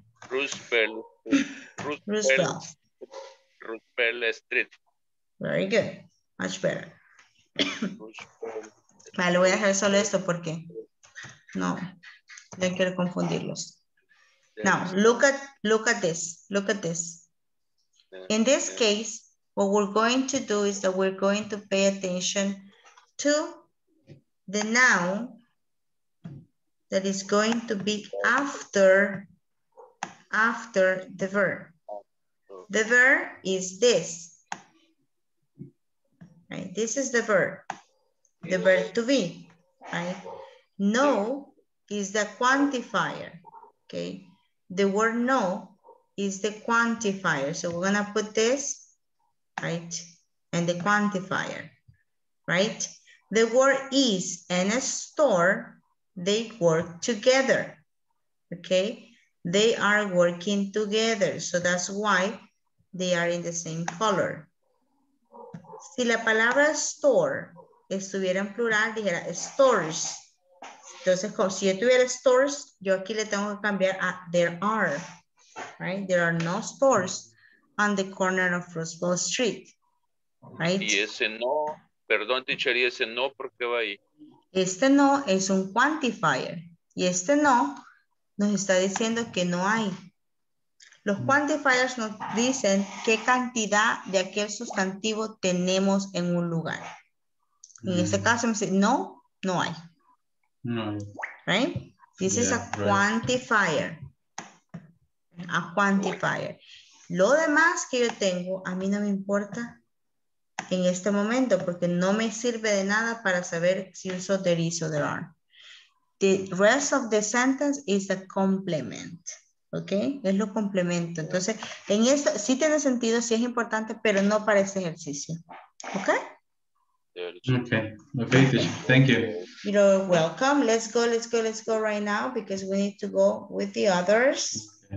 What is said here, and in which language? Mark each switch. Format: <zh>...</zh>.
<en>Roosevelt. Roosevelt. Roosevelt. Roosevelt Street. Very good. Much better.</en> <es>Vale, voy a dejar solo esto porque no, no quiero confundirlos.</es> <en>Now, look at this. In this case, what we're going to do is that we're going to pay attention to the noun that is going to be after the verb. The verb is this, right? This is the verb, the verb to be, right? No is the quantifier, okay? The word no is the quantifier. So we're gonna put this, right? And the quantifier, right? The word is and a store, they work together, okay? They are working together, so that's why they are in the same color.</en> <es>Si la palabra store estuviera en plural, dijera stores. Entonces, como si yo tuviera stores, yo aquí le tengo que cambiar a</es> <en>there are, right? There are no stores on the corner of Roosevelt Street, right?</en> <es>Y ese no, perdón, teacher, y ese no, ¿por qué va ahí? Este no es un quantifier. Y este no nos está diciendo que no hay. Los quantifiers nos dicen qué cantidad de aquel sustantivo tenemos en un lugar. En este caso, me dice, no, no hay. No.</es> <en>Right? This is a quantifier. A quantifier.</en> <es>Lo demás que yo tengo, a mí no me importa en este momento, porque no me sirve de nada para saber si uso there is o there are.</es> <en>The rest of the sentence is a complement.</en> <es>¿Ok? Es lo complemento. Entonces, en esto sí tiene sentido, sí es importante, pero no para este ejercicio. ¿Ok?</es> <en>Okay. Thank you. You're welcome. Let's go right now because we need to go with the others.</en>